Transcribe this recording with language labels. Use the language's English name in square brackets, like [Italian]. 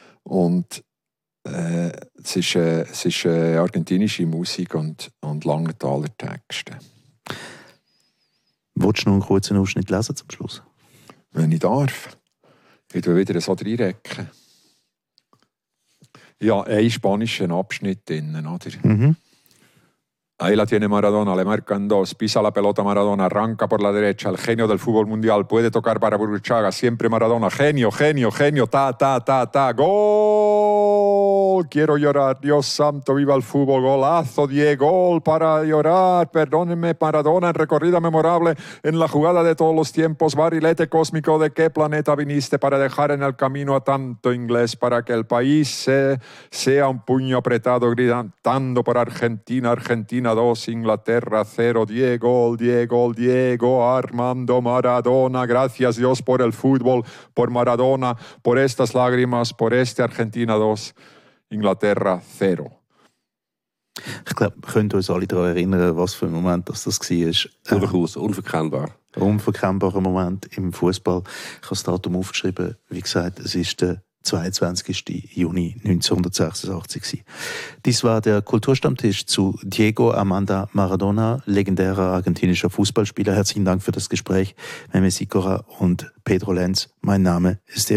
[German] Und es ist argentinische Musik und Langenthaler Texte. Wolltest du noch einen kurzen Ausschnitt lesen zum Schluss? Wenn ich darf. Ich will wieder so reinrecken. Ja, ein spanischer Abschnitt drin, oder? [Spanish] Ahí la tiene Maradona, le marcan dos, pisa la pelota Maradona, arranca por la derecha, el genio del fútbol mundial, puede tocar para Burruchaga, siempre Maradona, genio, genio, genio, ta, ta, ta, ta, gol, quiero llorar, Dios santo, viva el fútbol, golazo, Diego, gol para llorar, perdónenme Maradona, en recorrida memorable, en la jugada de todos los tiempos, barrilete cósmico, ¿de qué planeta viniste para dejar en el camino a tanto inglés, para que el país sea un puño apretado, gritando por Argentina, Argentina? Dos, Inglaterra, cero, Diego, Diego, Diego, Armando Maradona, gracias Dios por el fútbol, por Maradona, por estas lágrimas, por este Argentina 2, Inglaterra, cero. [German] Ich glaube, wir können uns alle daran erinnern, was für ein Moment das war. Durchaus, unverkennbar. Unverkennbarer Moment im Fußball. Ich habe das Datum aufgeschrieben, wie gesagt, es ist der 22. Juni 1986. Dies war der Kulturstammtisch zu Diego Armando Maradona, legendärer argentinischer Fußballspieler. Herzlichen Dank für das Gespräch, Meme Sicora und Pedro Lenz. Mein Name ist der